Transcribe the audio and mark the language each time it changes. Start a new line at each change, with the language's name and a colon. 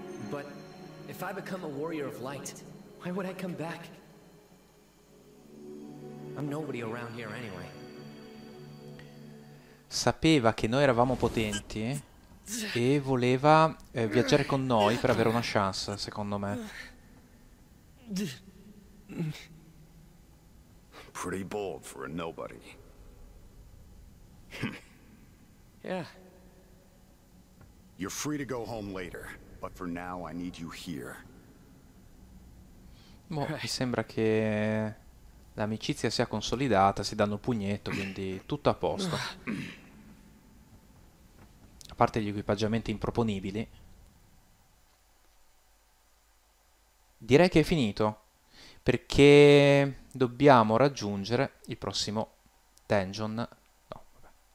English: But if I become a warrior of light, why would I come back? I'm nobody around here anyway.
Italian: Sapeva che noi eravamo potenti e voleva viaggiare con noi per avere una chance, secondo me.
English: Pretty bold for a nobody. Yeah. You're free to go home later, but for now I need you here.
Italian: Boh, mi sembra che l'amicizia sia consolidata, si danno pugnetto, quindi tutto a posto. A parte gli equipaggiamenti improponibili. Direi che è finito, perché dobbiamo raggiungere il prossimo dungeon. No, vabbè.